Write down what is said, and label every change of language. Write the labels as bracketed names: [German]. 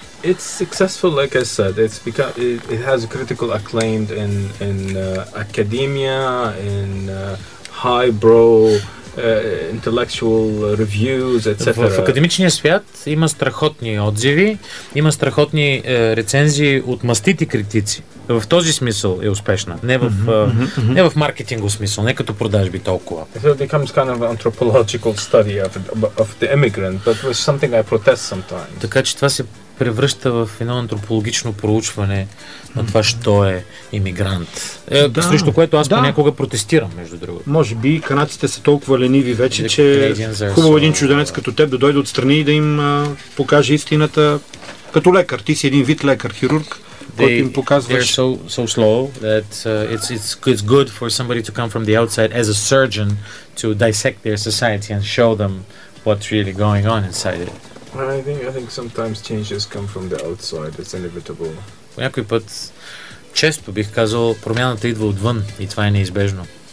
[English] It's successful, like I said. It's because it has a critical acclaim in academia, in highbrow intellectual reviews, etc. [Bulgarian] В академичния свят има страхотни отзиви, има страхотни рецензии от мастити критици. В този смисъл е успешна. Не в маркетингов смисъл, не като продажби толкова. [English] So it becomes kind of an anthropological study of the immigrant, but with something I protest sometimes. [Bulgarian] Така че това се превръща в едно антропологично проучване на това, що е имигрант. Да, срещу което аз понякога протестирам, между другото. Може би канадците са толкова лениви вече, че хубаво един чуденец като теб да дойде отстрани и да им покаже истината. Като лекар, ти си един вид лекар, хирург. [English] They're so slow that it's good for somebody to come from the outside as a surgeon to dissect their society and show them what's really going on inside it. I think sometimes changes come from the outside. It's inevitable. [Bulgarian] По някой път, често бих казал, промяната идва отвън и това е неизбежно.